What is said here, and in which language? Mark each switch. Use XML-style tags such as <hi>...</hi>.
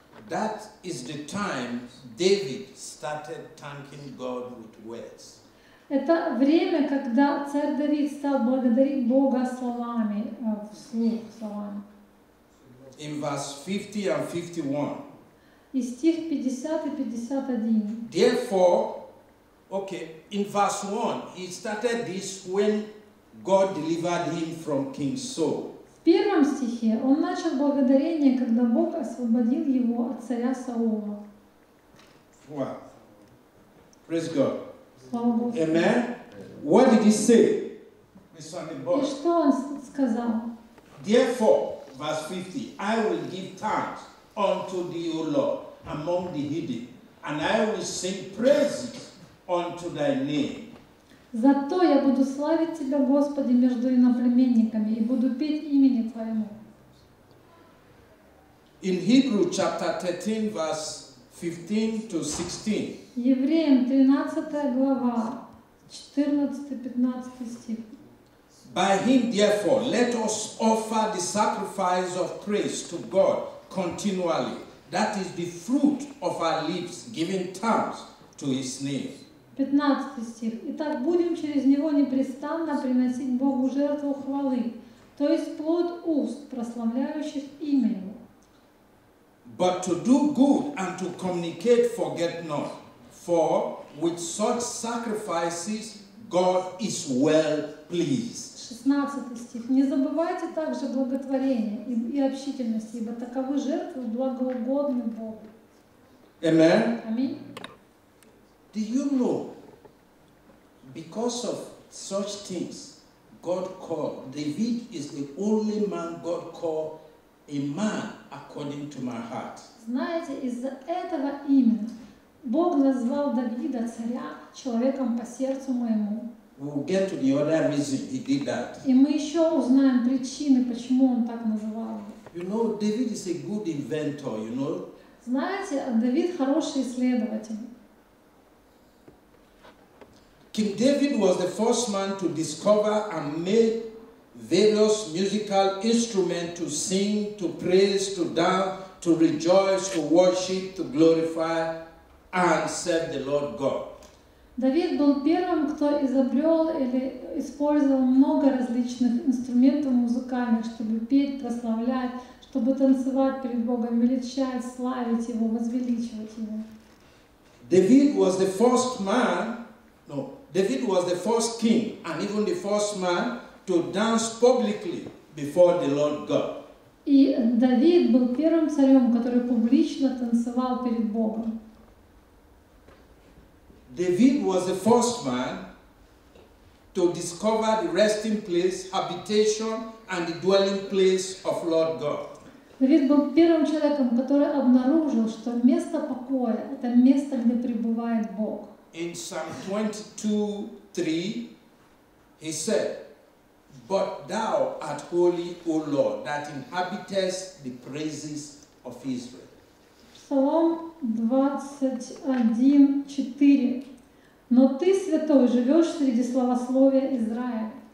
<en>that is the time David started thanking God with words.</en> <ru>Это время, когда царь Давид стал благодарить Бога словами, вслух словами.</ru> <en>In verse 50 and 51.</en> <ru>И стих 50 и 51.</ru> <en>Therefore, okay, in verse 1, he started this when God delivered him from King Saul.</en> <ru>В первом стихе он начал благодарение, когда Бог освободил его от царя Саула.</ru> <en>Wow. Praise God. Amen. What did he say?</en> <ru>И что он сказал?</ru> <en>Therefore, verse 50, I will give thanks unto thee, O Lord, among the heathen, and I will sing praises unto thy name.</en> <ru>Зато я буду славить тебя, Господи, между иноплеменниками, и буду петь имени твоему.</ru> <en>In Hebrew chapter 13, verse 15 to 16.</en> <ru>Евреям 13 глава, 14-15 стих.</ru> <en>By him, therefore, let us offer the sacrifice of praise to God continually. That is the fruit of our lips, giving thanks to his name.</en> <ru>15 стих. Итак, будем через него непрестанно приносить Богу жертву хвалы, то есть плод уст, прославляющих имя его.</ru> <en>But to do good and to communicate, forget not. For with such sacrifices God is well pleased.</en> <ru>16 стих. Не забывайте также благотворение и общительность, ибо таковы жертвы благоугодны Богу.</ru> <en>Amen. Amen. Do you know, because of such things, God called David is the only man God called a man according to my heart.</en> <ru>Знаете, из-за этого именно Бог назвал Давида царя человеком по сердцу моему.</ru> <en>We'll get to the other reason he did that.</en> <ru>И мы еще узнаем причины, почему он так называл.</ru> <en>You know, David is a good inventor, you know?</en> <ru>Знаете, Давид хороший исследователь.</ru> <en>King David was the first man to discover and make various musical instruments to sing, to praise, to dance, to rejoice, to worship, to glorify. And said the Lord God.</en> <ru>Давид был первым, кто изобрел или использовал много различных инструментов музыкальных, чтобы петь, прославлять, чтобы танцевать перед Богом, величать, славить Его, возвеличивать Его.</ru> <en>David was the first king and even the first man to dance publicly before the Lord God.</en> <ru>И Давид был первым царем, который публично танцевал перед Богом.</ru> <en>David was the first man to discover the resting place, habitation, and the dwelling place of Lord God.</en> <ru>Давид был первым человеком, который обнаружил, что место покоя – это место, где пребывает Бог.</ru> <en>In Psalm 22:3, he said, "But thou art holy, O Lord, that inhabitest the praises of Israel."</en> <ru>Псалом 21:4. Но ты, святой, живешь среди славословия Израиля.</ru>